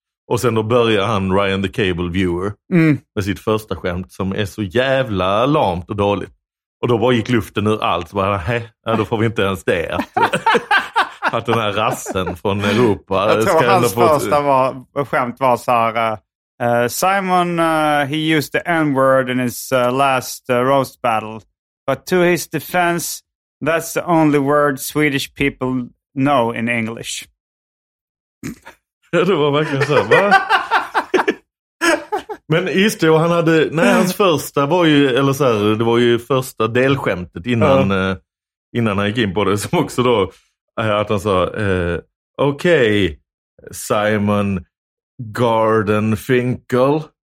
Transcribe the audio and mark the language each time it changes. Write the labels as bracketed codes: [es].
[sv] Och sen då börjar han Ryan the Cable Viewer med sitt första skämt som är så jävla lamt och dåligt. Och då bara gick luften ur allt. Så bara, nej, då får vi inte ens det. Att den här rassen från Europa... Jag tror hans första skämt var så här... [en] Simon, he used the N-word in his last roast battle. But to his defense, that's the only word Swedish people know in English. [sv] Ja, det var verkligen så. Va? Men just det, och han hade, nej, hans första var ju, eller så här, det var ju första delskämtet innan han gick in på det, som också då, att han sa, okej, Simon Gardenfinkel.